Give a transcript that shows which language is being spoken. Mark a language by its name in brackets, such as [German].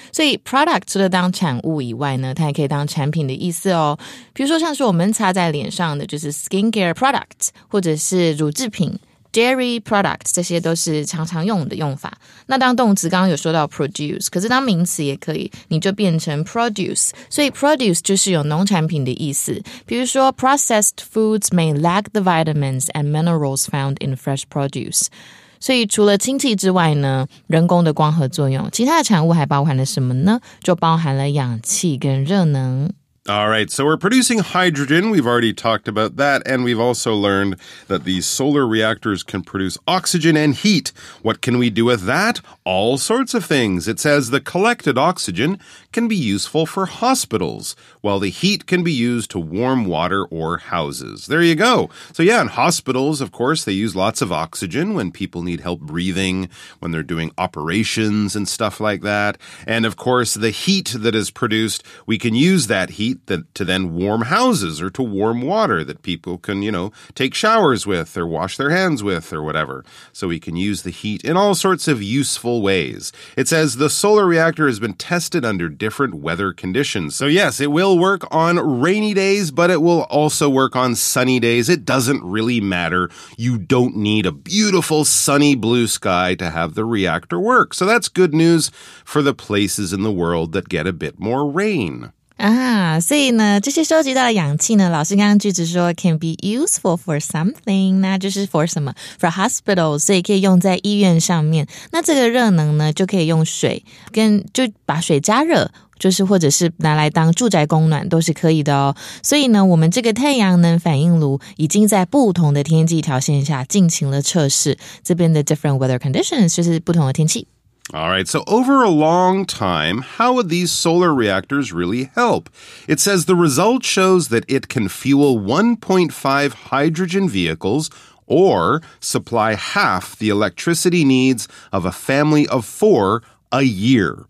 [Chinese] 所以 product 除了当产物以外呢，它也可以当产品的意思哦，比如说像是我们擦在脸上的就是 skincare product， 或者是乳制品Dairy products， 这些都是常常用的用法。那当动词刚刚有说到 produce， 可是当名词也可以，你就变成 produce。所以 produce 就是有农产品的意思，比如说 [English] processed foods may lack the vitamins and minerals found in fresh produce。 [Chinese] 所以除了氢气之外呢，人工的光合作用，其他的产物还包含了什么呢？就包含了氧气跟热能。 [English] All right, so we're producing hydrogen. We've already talked about that. And we've also learned that these solar reactors can produce oxygen and heat. What can we do with that? All sorts of things. It says the collected oxygen can be useful for hospitals, while the heat can be used to warm water or houses. There you go. So yeah, in hospitals, of course, they use lots of oxygen when people need help breathing, when they're doing operations and stuff like that. And of course, the heat that is produced, we can use that heat. To then warm houses or to warm water that people can, you know, take showers with or wash their hands with or whatever. So we can use the heat in all sorts of useful ways. It says the solar reactor has been tested under different weather conditions. So yes, it will work on rainy days, but it will also work on sunny days. It doesn't really matter. You don't need a beautiful sunny blue sky to have the reactor work. So that's good news for the places in the world that get a bit more rain. [Chinese] 所以呢，这些收集到的氧气呢，老师刚刚句子说 [English] can be useful for something， [Chinese] 那就是 for 什么 for hospitals， 所以可以用在医院上面。那这个热能呢，就可以用水跟就把水加热，就是或者是拿来当住宅供暖都是可以的哦。所以呢，我们这个太阳能反应炉已经在不同的天气条件下进行了测试，这边的 different weather conditions 就是不同的天气。 [English] All right, so over a long time, how would these solar reactors really help? It says the result shows that it can fuel 1.5 hydrogen vehicles or supply half the electricity needs of a family of four a year.